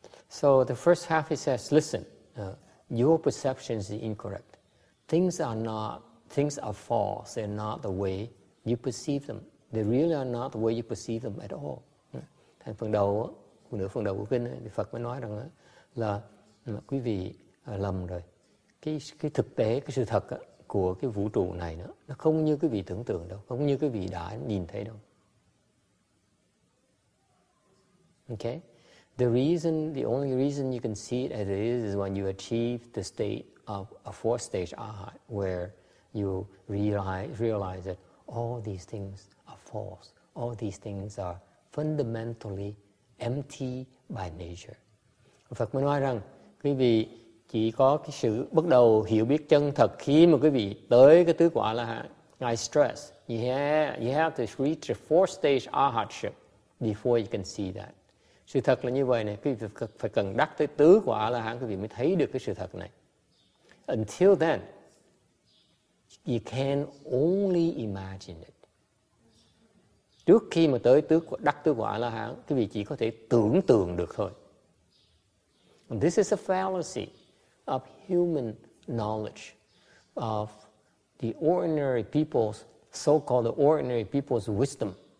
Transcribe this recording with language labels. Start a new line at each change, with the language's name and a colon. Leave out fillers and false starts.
English: So the first half he says, listen, your perception is incorrect. Things are false. They're not the way you perceive them. They really are not the way you perceive them at all.
Vietnamese: Thành phần đầu, nửa phần đầu của kinh thì Phật mới nói rằng là quý vị lầm rồi. Cái thực tế, cái sự thật của cái vũ trụ này nữa, nó không như quý vị tưởng tượng đâu, không như quý vị đã nhìn thấy đâu.
English: Okay? The only reason you can see it as it is when you achieve the state of a fourth stage arhat, where you realize that all these things are false. All these things are fundamentally empty by nature.
Vietnamese: Phật mới nói rằng, quý vị chỉ có cái sự bắt đầu hiểu biết chân thật khi mà quý vị tới cái tứ quả A-la-hán.
English: I stress, you have to reach the fourth stage arhatship before you can see that.
Vietnamese: Sự thật là như vậy này, quý vị phải cần đắc tới tứ quả A-la-hán, quý vị mới thấy được cái sự thật này.
English: Until then, you can only imagine it.
Vietnamese: Trước khi mà tới đắc tứ quả A-la-hán, quý vị chỉ có thể tưởng tượng được thôi.
English: And this is a fallacy of human knowledge, of the ordinary people's, so-called ordinary people's wisdom.